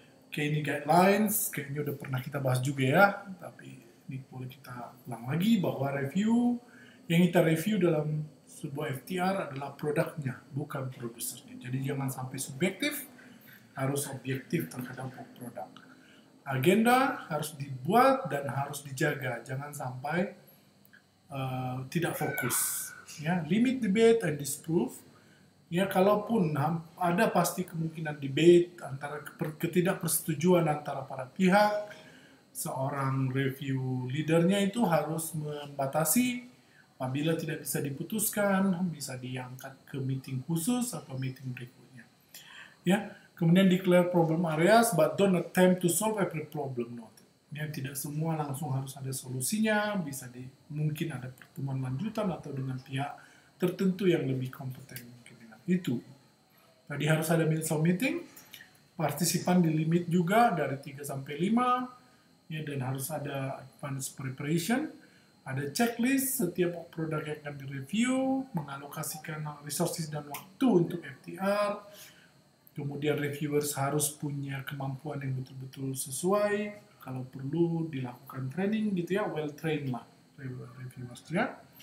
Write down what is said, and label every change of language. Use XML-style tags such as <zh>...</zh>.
<id>Oke, ini guidelines, kayaknya udah pernah kita bahas juga ya, tapi ini boleh kita ulang lagi bahwa review yang kita review dalam sebuah FTR adalah produknya, bukan produsernya. Jadi jangan sampai subjektif, harus objektif terhadap produk. agenda harus dibuat dan harus dijaga, jangan sampai tidak fokus.</id> <en>Ya, limit debate and disprove.</en> <id>Ya, kalaupun ada pasti kemungkinan debate antara ketidakpersetujuan antara para pihak, seorang review leadernya itu harus membatasi. Apabila tidak bisa diputuskan, bisa diangkat ke meeting khusus atau meeting berikutnya. Ya, kemudian</id> <en>declare problem areas, but don't attempt to solve every problem.</en> <id>Ya, tidak semua langsung harus ada solusinya, bisa di, mungkin ada pertemuan lanjutan atau dengan pihak tertentu yang lebih kompeten mungkin dengan itu. Tadi harus ada mid-sum meeting, partisipan di limit juga dari 3-5, ya, dan harus ada advance preparation, ada checklist setiap produk yang akan direview, mengalokasikan resources dan waktu untuk FTR, kemudian reviewers harus punya kemampuan yang betul-betul sesuai, kalau perlu dilakukan training gitu ya,</id> <en>well trained</en> <id>lah reviewers ya.</id>